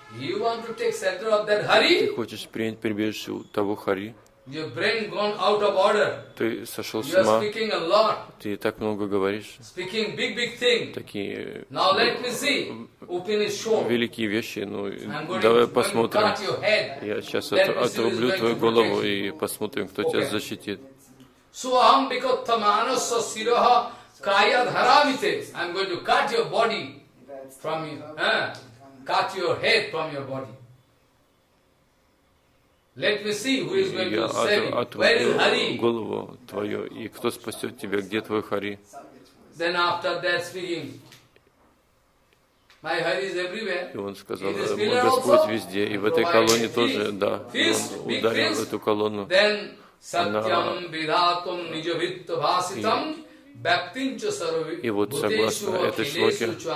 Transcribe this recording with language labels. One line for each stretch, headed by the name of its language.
English: You want to take shelter of that Hari?
Russian: Ты хочешь принять прибежище у того Хари?
English: Your brain gone out of order.
Russian: Ты сошел с ума.
English: You are speaking a lot.
Russian: Ты так много говоришь.
English: Speaking big, big thing.
Russian: Такие.
English: Now let me see. Open his show.
Russian: Великие вещи. Ну, давай посмотрим. Я сейчас отрублю твою голову и посмотрим, кто тебя защитит.
Sanskrit: Суам бико тамано со сироха кая дхарамите.
English: I'm going to cut your body from you. Cut your head from your body. Let me see who is going to save you. Where is Hari?
Russian: Голову твою и кто спасет тебя? Где твой Хари?
English: Then after that speaking, my Hari is everywhere.
Russian: И он сказал, мой Господь везде и в этой колонне тоже, да. Он ударил эту колонну.
Sanskrit: Then satyam vidhatum nijavitta bhasitam bhaktin cha sarvi.
Russian: И вот согласно этой шлоке.